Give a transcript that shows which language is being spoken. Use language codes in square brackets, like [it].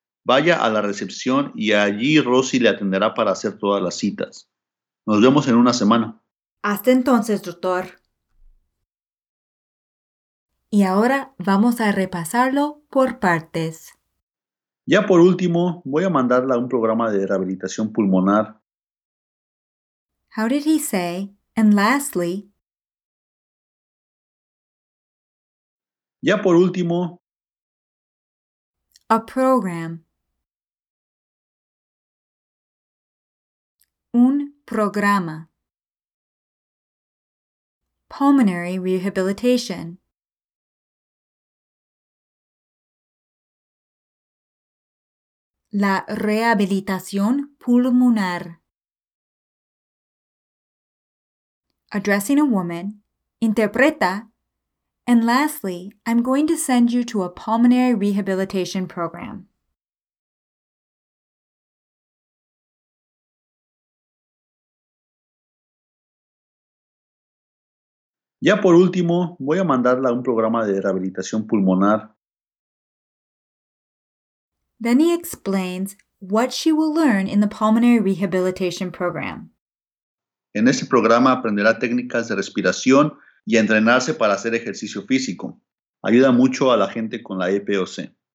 [es] Vaya a la recepción y allí Rosy le atenderá para hacer todas las citas. Nos vemos en una semana. Hasta entonces, doctor. Y ahora vamos a repasarlo por partes. Ya por último, voy a mandarla a un programa de rehabilitación pulmonar. [en] How did he say, and lastly? [es] Ya por último. [en] A program. [es] Un programa. [en] Pulmonary rehabilitation. [es] La rehabilitación pulmonar. [en] Addressing a woman, interpreta, and lastly, I'm going to send you to a pulmonary rehabilitation program. [es] Ya por último, voy a mandarla a un programa de rehabilitación pulmonar. [en] Then he explains what she will learn in the pulmonary rehabilitation program. [es] En ese programa aprenderá técnicas de respiración y a entrenarse para hacer ejercicio físico. Ayuda mucho a la gente con la EPOC.